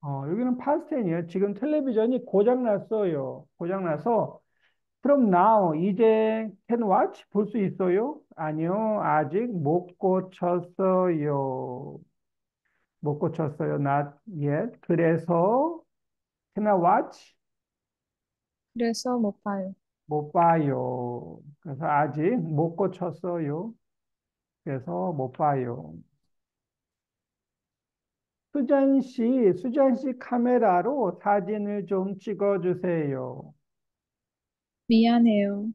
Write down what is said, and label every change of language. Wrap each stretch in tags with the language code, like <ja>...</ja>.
<ko>여기는 past tense예요. 지금 텔레비전이 고장 났어요. 고장 나서</ko> <en>from now</en> <ko>이제</ko> <en>can watch</en> <ko>볼수 있어요? 아니요, 아직 못 고쳤어요. 못 고쳤어요.</ko> <en>Not yet.</en> <ko>그래서</ko> <en>can I watch?</en> <ko>그래서 못 봐요. 못 봐요. 그래서 아직 못 고쳤어요. 그래서 못 봐요. 수잔 씨 카메라로 사진을 좀 찍어주세요. 미안해요.</ko>